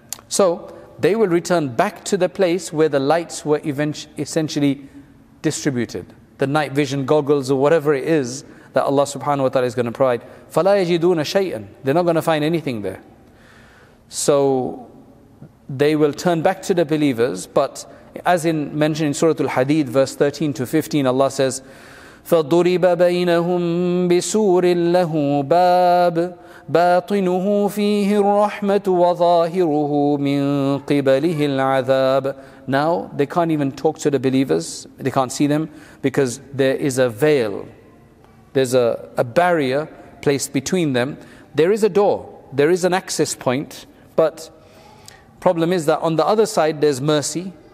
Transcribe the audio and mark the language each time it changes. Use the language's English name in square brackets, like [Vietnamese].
[English] So they will return back to the place where the lights were essentially distributed. The night vision goggles or whatever it is that Allah subhanahu wa ta'ala is going to provide. [Arabic] فَلَا يَجِدُونَ شَيْئًا. [English] They're not going to find anything there. So they will turn back to the believers. But as in mentioned in Surah Al-Hadid, verse 13 to 15, Allah says, [Arabic] فَضُرِبَ بَيْنَهُمْ بِسُورٍ لَهُ بَابٍ باطنه فيه الرحمة وظاهره من قبله العذاب. [English] Now they can't even talk to the believers. They can't see them because there is a veil. There's a barrier placed between them. There is a door. There is an access point. But problem is that on the other side there's mercy.